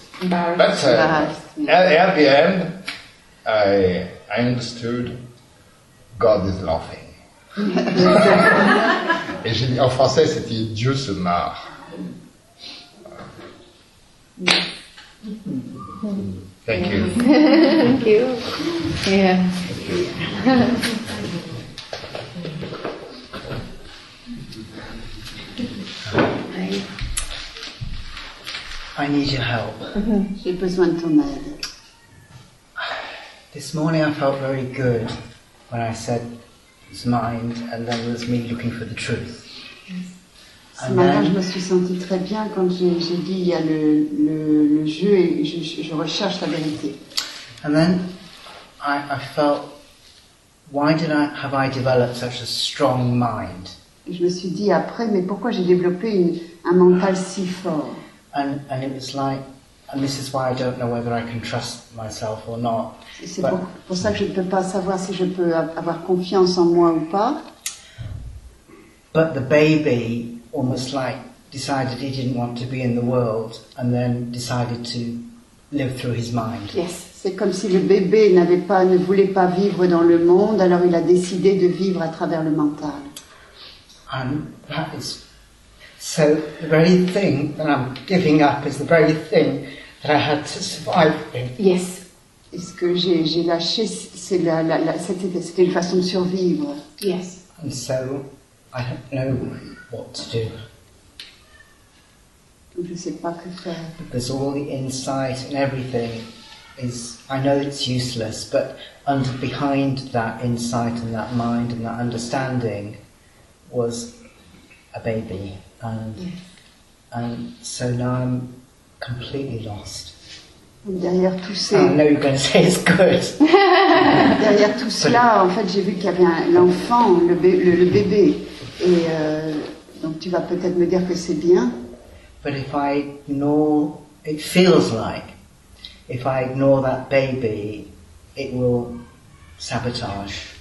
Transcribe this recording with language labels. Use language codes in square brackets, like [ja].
[en] But at the end, I understood God is laughing. [fr] Et j'ai dit, en français, c'était Dieu se marre. [en] Thank you. Thank you. Yeah. I need your help. [fr] J'ai besoin de ton aide. [en] This morning I felt very good when I said it's mind and then it was me looking for the truth. Yes. [fr] Ce matin je me suis sentie très bien quand j'ai dit il y a le jeu et je recherche la vérité. [en] And then I felt, why did I have I developed such a strong mind? [fr] Je me suis dit après, mais pourquoi j'ai développé un mental si fort? [en] And it was like, and this is why I don't know whether I can trust myself or not. [fr] C'est pour ça que je ne peux pas savoir si je peux avoir confiance en moi ou pas. [en] But the baby almost like decided he didn't want to be in the world and then decided to live through his mind. [fr] Yes, c'est comme si le bébé ne voulait pas vivre dans le monde, alors il a décidé de vivre à travers le mental. [en] And that is, so the very thing that I'm giving up is the very thing that I had to survive in. Yes. [fr] Ce que j'ai lâché, c'est c'était une façon de survivre. [en] Yes. And so I don't know what to do. [fr] Je sais pas que faire. [en] Because all the insight and everything is, I know it's useless, but behind that insight and that mind and that understanding was a baby, and so now I'm completely lost. [fr] Derrière tout ça, [en] I know you're going to say it's good. [fr] Derrière tout cela, en fait, j'ai vu qu'il y avait l'enfant, le bébé, et donc tu vas peut-être me dire que c'est bien. [en] But if I ignore, it feels like if I ignore that baby, it will sabotage.